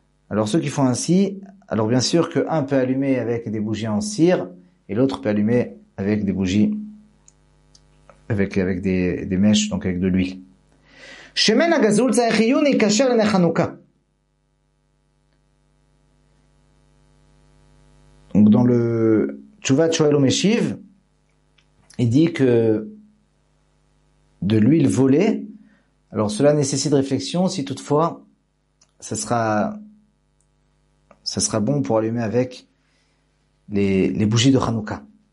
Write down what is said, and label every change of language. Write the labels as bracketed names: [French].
[French] Alors ceux qui font ainsi, alors bien sûr que un peut allumer avec des bougies en cire et l'autre peut allumer avec des bougies avec des mèches, donc avec de l'huile. [Hebrew] שמן הגזול צריך עיון יקשר לנר חנוכה. [French] Donc dans le Tshuvat Shoel Umeshiv, il dit que de l'huile volée, alors cela nécessite réflexion si toutefois ça sera bon pour allumer avec les bougies de Hanouka.